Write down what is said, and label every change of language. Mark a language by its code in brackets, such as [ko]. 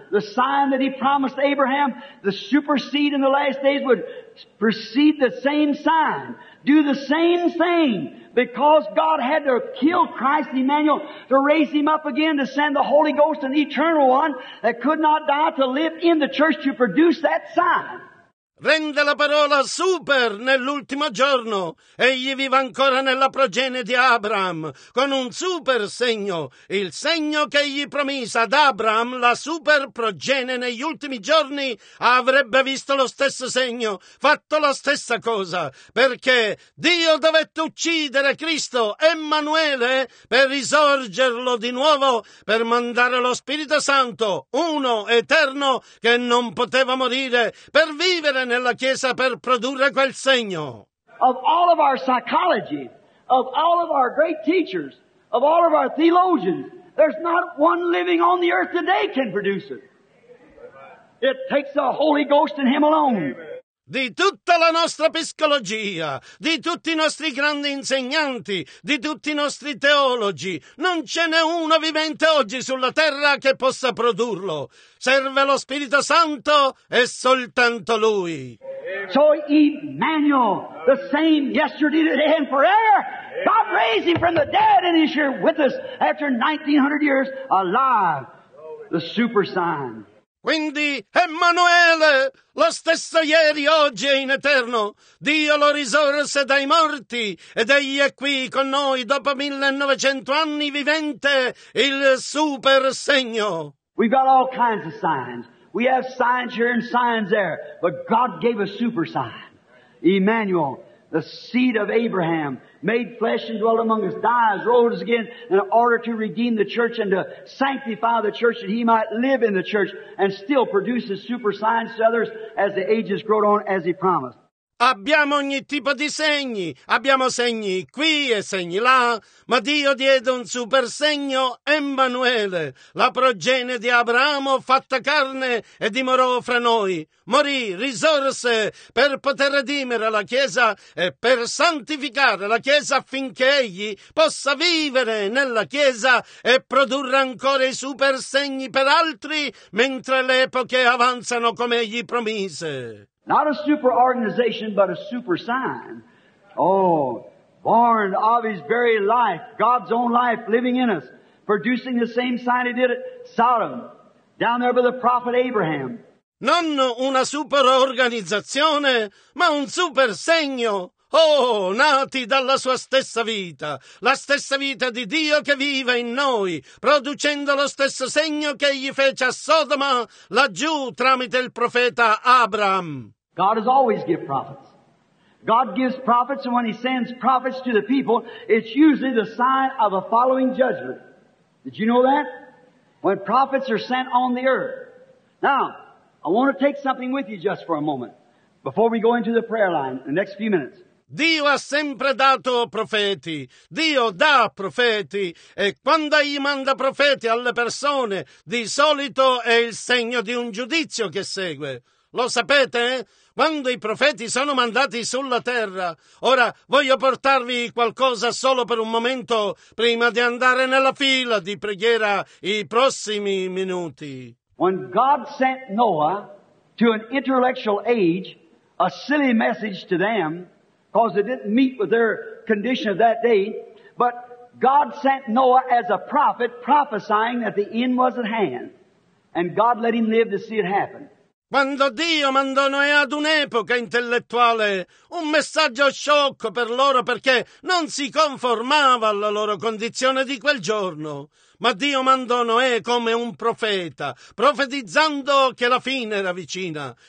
[en] The sign that he promised Abraham, the super seed in the last days would precede the same sign. Do the same thing because God had to kill Christ Emmanuel to raise him up again to send the Holy Ghost, an eternal one that could not die, to live in the church to produce that sign. [it] rende la parola super nell'ultimo giorno. Egli vive ancora nella progenie di Abraham con un super segno, il segno che gli promise ad Abraham la super progenie negli ultimi giorni. Avrebbe visto lo stesso segno, fatto la stessa cosa, perché Dio dovette uccidere Cristo Emanuele per risorgerlo di nuovo, per mandare lo Spirito Santo, uno eterno che non poteva morire, per vivere nella Chiesa per produrre quel segno. [en] Of all of our psychology, of all of our great teachers, of all of our theologians, there's not one living on the earth today can produce it. It takes the Holy Ghost and Him alone. [it] Di tutta la nostra psicologia, di tutti i nostri grandi insegnanti, di tutti i nostri teologi, non ce n'è uno vivente oggi sulla terra che possa produrlo. Serve lo Spirito Santo e soltanto Lui. [en] So Emmanuel, the same yesterday, today and forever, God raised Him from the dead and He's here with us after 1900 years alive. The super sign. [it] Quindi Emanuele, lo stesso ieri, oggi e in eterno, Dio lo risorse dai morti ed egli è qui con noi dopo 1900 anni vivente, il super segno. [en] We've got all kinds of signs. We have signs here and signs there, but God gave a super sign. Emmanuel, the seed of Abraham, made flesh and dwelt among us, dies, rose again in order to redeem the church and to sanctify the church that He might live in the church and still produce His super signs to others as the ages grow on as He promised. [it] Abbiamo ogni tipo di segni, abbiamo segni qui e segni là, ma Dio diede un super segno, Emanuele, la progenie di Abramo fatta carne e dimorò fra noi, morì, risorse per poter redimere la Chiesa e per santificare la Chiesa affinché egli possa vivere nella Chiesa e produrre ancora i super segni per altri mentre le epoche avanzano come egli promise. [en] Not a super organization, but a super sign. Oh, born of His very life, God's own life living in us, producing the same sign He did at Sodom, down there by the prophet Abraham. [it] Non una super organizzazione, ma un super segno. Oh, nati dalla sua stessa vita di Dio che vive in noi, producendo lo stesso segno che egli fece a Sodoma, laggiù tramite il profeta Abraham. [en] God has always given prophets. God gives prophets, and when He sends prophets to the people, it's usually the sign of a following judgment. Did you know that? When prophets are sent on the earth. Now, I want to take something with you just for a moment, before we go into the prayer line in the next few minutes. [it] Dio ha sempre dato profeti, Dio dà profeti, e quando egli manda profeti alle persone, di solito è il segno di un giudizio che segue. Lo sapete? Quando i profeti sono mandati sulla terra. Ora voglio portarvi qualcosa solo per un momento prima di andare nella fila di preghiera i prossimi minuti. [en] When God sent Noah to an intellectual age, a silly message to them, because it didn't meet with their condition of that day. But God sent Noah as a prophet, prophesying that the end was at hand. And God let him live to see it happen. [it] Quando Dio mandò Noè ad un'epoca intellettuale, un messaggio sciocco per loro perché non si conformava alla loro condizione di quel giorno. Ma Dio mandò Noè come un profeta, profetizzando che la fine era vicina.